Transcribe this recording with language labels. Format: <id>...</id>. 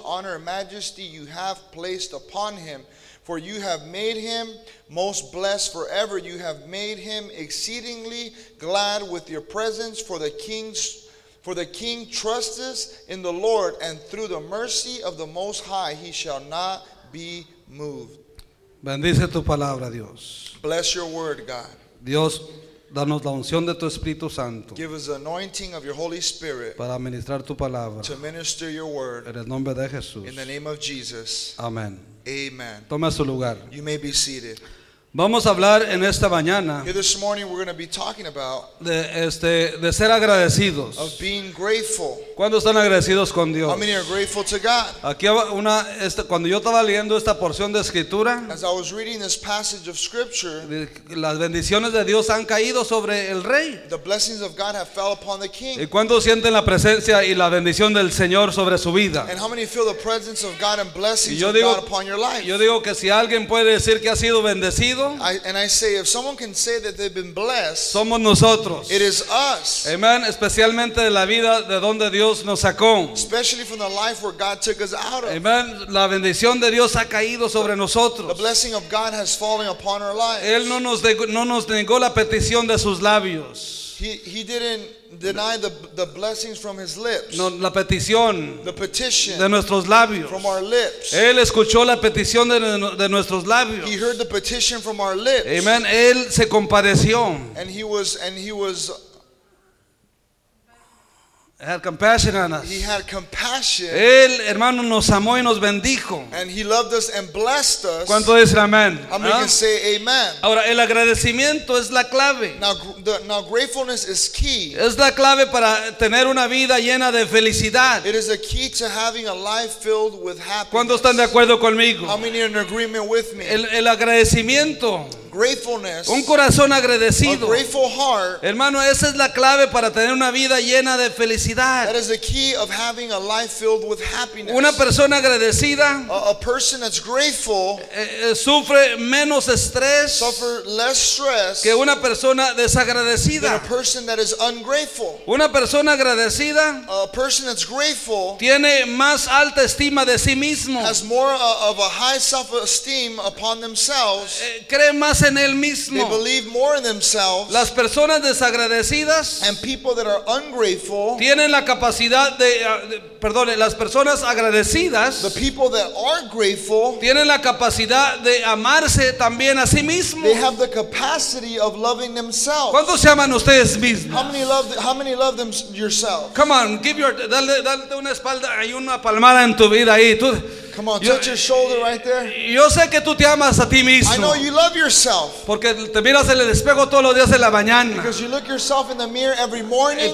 <en>Honor and majesty you have placed upon him. For you have made him most blessed forever. You have made him exceedingly glad with your presence. For the king trusts in the Lord, and through the mercy of the Most High, he shall not be moved."</en> <es>Bendice tu palabra, Dios.</es> <en>Bless your word, God.</en> <es>Dios, danos la unción de tu Espíritu Santo.</es> <en>Give us the anointing of your Holy Spirit.</en> <es>Para administrar tu palabra.</es> <en>To minister your word.</en> <es>En el nombre de Jesús.</es> <en>In the name of Jesus.</en> <es>Amen.</es> <en>Amen.</en> <es>Toma su lugar.</es> <en>You may be seated.</en> <es>Vamos a hablar en esta mañana de ser agradecidos.</es> <en>Of being grateful.</en> <es>¿Cuándo están agradecidos con Dios?</es> <en>How many are grateful to God?</en> <es>Aquí una cuando yo estaba leyendo esta porción de escritura,</es> <en>as I was reading this passage of scripture,</en> <es>las bendiciones de Dios han caído sobre el rey.</es> <en>The blessings of God have fell upon the king.</en> <es>¿Y cuántos sienten la presencia y la bendición del Señor sobre su vida?</es> <en>And how many feel the presence of God and blessings of God upon your life?</en> <es>Yo digo que si alguien puede decir que ha sido bendecido,</es> <en>I say, if someone can say that they've been blessed,</en> <es>somos nosotros.</es> <en>It is us. Amen.</en> <es>Especialmente de la vida de donde Dios nos sacó.</es> <en>Especially from the life where God took us out of. Amen.</en> <es>La bendición de Dios ha caído sobre nosotros.</es> <en>The blessing of God has fallen upon our lives.</en> <es>Él no nos negó la petición de sus labios.</es> <en>He didn't deny the blessings from his lips.</en> <es>No, la petición,</es> <en>the petition,</en> <es>de nuestros labios,</es> <en>from our lips.</en> <es>Él escuchó la petición de nuestros labios.</es> <en>He heard the petition from our lips.</en> <es>Amen. Él se compadeció.</es> <en>And he was had compassion on us. He had compassion.</en> <es>Él, hermano, nos amó y nos bendijo.</es> <en>And he loved us and blessed us.</en> <es>¿Cuánto dicen amén?</es> <en>How many can say amen?</en> <es>Ahora, el agradecimiento es la clave.</es> <en>Now gratefulness is key.</en> <es>Es la clave para tener una vida llena de felicidad.</es> <en>It is the key to having a life filled with happiness.</en> <es>¿Cuánto están de acuerdo conmigo?</es> <en>How many are in agreement with me?</en> <es>El agradecimiento.</es> <en>Gratefulness,</en> <es>un corazón agradecido,</es> <en>a grateful heart,</en> <es>hermano, esa es la clave para tener una vida llena de felicidad.</es> <en>That is the key of having a life filled with happiness.</en> <es>Una persona agradecida,</es> <en>a person that's grateful,</en> <es>sufre menos estrés,</es> <en>suffer less stress,</en> <es>que una persona desagradecida,</es> <en>than a person that is ungrateful.</en> <es>Una persona agradecida,</es> <en>a person that's grateful,</en> <es>tiene más alta estima de sí mismo,</es> <en>has more of a high self-esteem upon themselves,</en> <es>cree más en él mismo.</es> <en>They believe more in themselves.</en> <es>Las personas desagradecidas</es> <en>and people that are ungrateful</en> <es>tienen la capacidad de las personas agradecidas,</es> <en>the people that are grateful,</en> <es>tienen la capacidad de amarse también a sí mismo.</es> <en>They have the capacity of loving themselves.</en> <es>¿Cuántos se aman ustedes mismos?</es> <en>How many love them yourself? Come on, give your</en> <es>dale una espalda, hay una palmada en tu vida ahí. Tú,</es> <en>come on, touch your shoulder right there.</en> <es>Yo sé que tú te amas a ti mismo.</es> <en>I know you love yourself.</en> <es>Porque te miras en el espejo todos los días en la mañana.</es> <en>Because you look yourself in the mirror every morning.</en>